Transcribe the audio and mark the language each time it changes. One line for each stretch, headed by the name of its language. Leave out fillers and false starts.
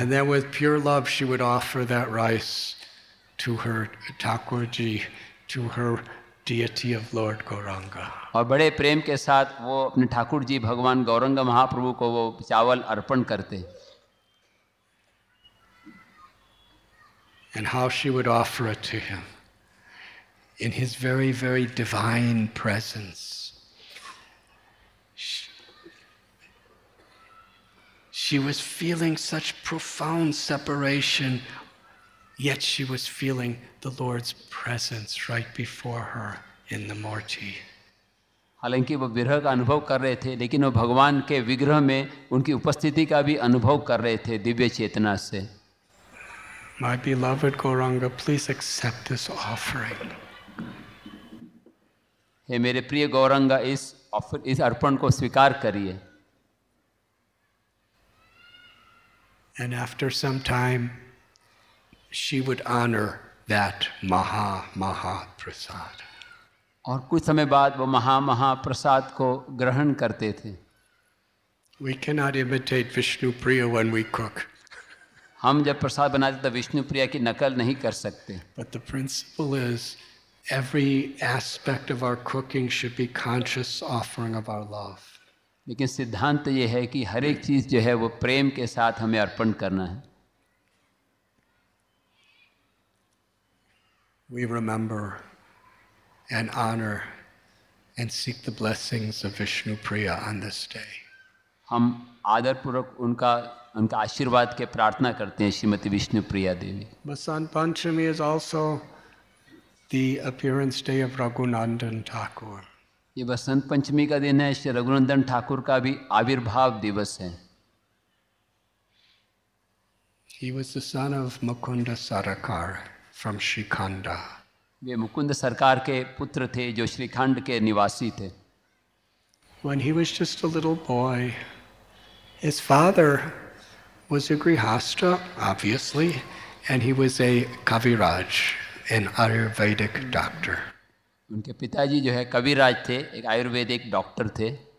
English: And then with pure love she would offer that rice to her Thakur ji, to her deity of Lord Gauranga.
Hindi: और बड़े प्रेम के साथ वो अपने ठाकुर जी भगवान गौरंग महाप्रभु को वो चावल अर्पण करते।
English: And how she would offer it to him in his very, very divine presence. She was feeling such profound separation, yet she was feeling the Lord's presence right before her in the murti.
Hindi: हालांकि वो विरह का अनुभव कर रहे थे, लेकिन वो भगवान के विग्रह में उनकी उपस्थिति का भी अनुभव कर रहे थे दिव्य चेतना से.
English: My beloved Gauranga, please accept this offering.
Hindi: हे मेरे प्रिय गौरंगा, इस अर्पण को स्वीकार करिए.
English: And after some time, she would honor that maha maha prasad.
Hindi: और कुछ समय बाद वो महा महा प्रसाद को ग्रहण करते थे.
English: We cannot imitate Vishnu Priya when we cook.
Hindi: हम जब प्रसाद बनाते तो विष्णु प्रिया की नकल नहीं कर सकते.
English: But the principle is, every aspect of our cooking should be conscious offering of our love.
Hindi: लेकिन सिद्धांत यह है कि हर एक चीज जो है वो प्रेम के साथ हमें अर्पण करना है.
English: We remember and honor and seek the blessings of Vishnu Priya on this day.
Hindi: हम आदर पूर्वक उनका आशीर्वाद के प्रार्थना करते हैं Shrimati Vishnu Priya Devi.
English: Basant Panchami is also the appearance day of Raghunandan Thakur.
Hindi: ये बसंत पंचमी का दिन है, श्री रघुनंदन ठाकुर का भी आविर्भाव दिवस है.
English: He was the son of Mukunda Sarkar from Shrikhanda.
Hindi: वे मुकुंद सरकार के पुत्र थे जो श्रीखंड के निवासी थे.
English: When he was just a little boy, his father was a grihastha, obviously, and he was a kaviraj, an Ayurvedic doctor.
Hindi: उनके पिताजी जो है कविराज थे, एक आयुर्वेदिक डॉक्टर थे.